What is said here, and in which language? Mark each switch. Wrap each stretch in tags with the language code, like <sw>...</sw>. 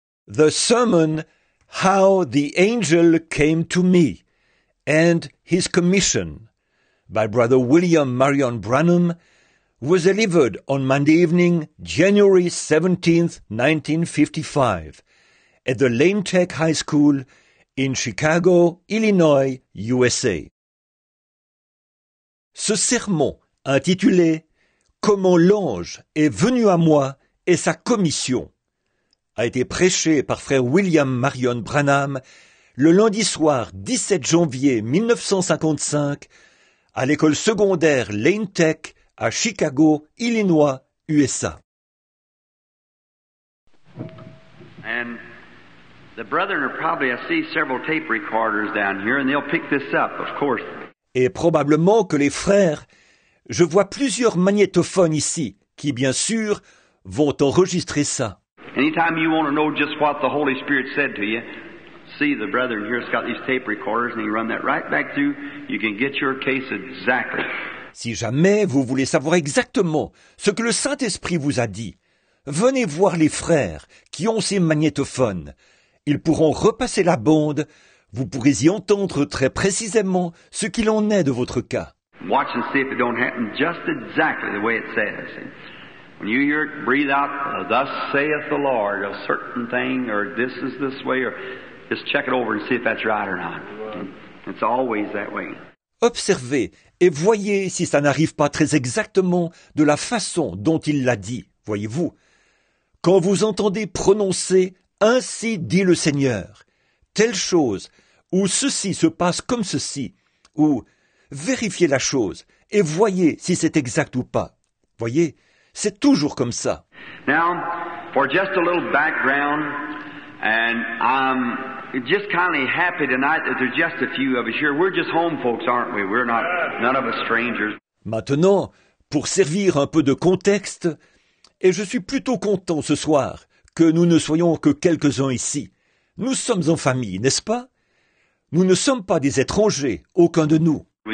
<en>the sermon, How the Angel Came to Me and His Commission, by Brother William Marion Branham, was delivered on Monday evening, January 17, 1955, at the Lane Tech High School in Chicago, Illinois, USA.</en> <fr>Ce sermon intitulé « Comment l'ange est venu à moi et sa commission » a été prêché par frère William Marion Branham le lundi soir 17 janvier 1955 à l'école secondaire Lane Tech à Chicago, Illinois, USA.</fr> <en>And the brethren are probably, I see several tape recorders down here and they'll pick this up, of course.</en> <fr>Et probablement que les frères, je vois plusieurs magnétophones ici qui, bien sûr, vont enregistrer ça.</fr> <en>Anytime you want to know just what the Holy Spirit said to you, see the brethren here's got these tape recorders and you run that right back through, you can get your case exactly.</en> <fr>Si jamais vous voulez savoir exactement ce que le Saint-Esprit vous a dit, venez voir les frères qui ont ces magnétophones. Ils pourront repasser la bande. Vous pourrez y entendre très précisément ce qu'il en est de votre cas.</fr> <en>Watch and see if it don't happen just exactly the way it says. When you hear it breathe out, thus saith the Lord, a certain thing, or this is this way, or just check it over and see if that's right or not. It's always that way.</en> <fr>Observez et voyez si ça n'arrive pas très exactement de la façon dont il l'a dit, voyez-vous. Quand vous entendez prononcer « Ainsi dit le Seigneur », telle chose, ou ceci se passe comme ceci, ou vérifiez la chose et voyez si c'est exact ou pas. Voyez, c'est toujours comme ça.</fr> <en>Now, for just a little background, and I'm just kind of happy tonight that there's just a few of us here. We're just home folks, aren't we? We're not, none of us strangers.</en> <fr>Maintenant, pour servir un peu de contexte, et je suis plutôt content ce soir que nous ne soyons que quelques-uns ici. Nous sommes en famille, n'est-ce pas? Nous ne sommes pas des étrangers, aucun de nous.</fr>